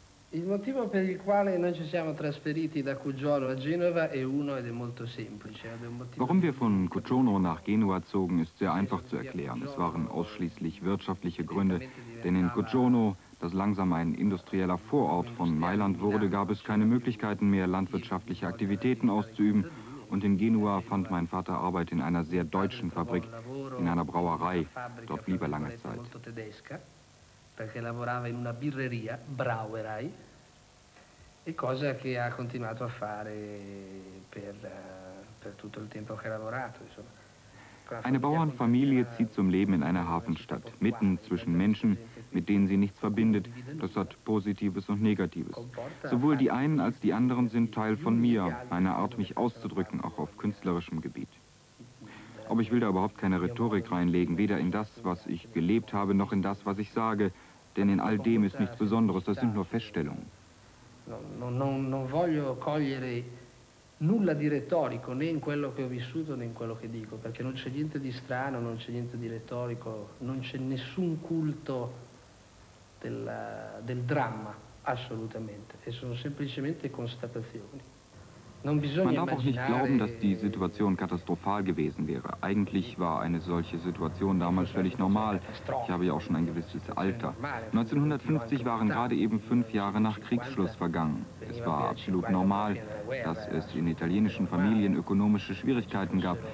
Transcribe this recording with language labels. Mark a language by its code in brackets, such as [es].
[it] Il motivo per il quale noi ci siamo trasferiti da Cuggiolo a Genova è uno ed è molto semplice. [de] Warum wir von Cuggiolo nach Genua zogen, ist sehr einfach zu erklären. Es waren ausschließlich wirtschaftliche Gründe, denn in Cuggiolo, das langsam ein industrieller Vorort von Mailand wurde, gab es keine Möglichkeiten mehr, landwirtschaftliche Aktivitäten auszuüben. Und in Genua fand mein Vater Arbeit in einer sehr deutschen Fabrik, in einer Brauerei. Dort blieb er lange Zeit. [it] Perché lavorava in una birreria, Brauerei, e cosa che ha continuato a fare per tutto il tempo che ha lavorato. [de] Eine Bauernfamilie zieht zum Leben in einer Hafenstadt, mitten zwischen Menschen, mit denen sie nichts verbindet. Das hat Positives und Negatives. Sowohl die einen als die anderen sind Teil von mir, einer Art, mich auszudrücken, auch auf künstlerischem Gebiet. Aber ich will da überhaupt keine Rhetorik reinlegen, weder in das, was ich gelebt habe, noch in das, was ich sage. Denn in all dem ist nichts Besonderes, das sind nur Feststellungen. [it] Non voglio cogliere nulla di retorico, né in quello che ho vissuto, né in quello che dico, perché non c'è niente di strano, non c'è niente di retorico, non c'è nessun culto del dramma, assolutamente. E sono semplicemente constatazioni. [de] Man darf auch nicht glauben, dass die Situation katastrophal gewesen wäre. Eigentlich war eine solche Situation damals völlig normal. Ich habe ja auch schon ein gewisses Alter. 1950 waren gerade eben 5 Jahre nach Kriegsschluss vergangen. Es war absolut normal, dass es in italienischen Familien ökonomische Schwierigkeiten gab.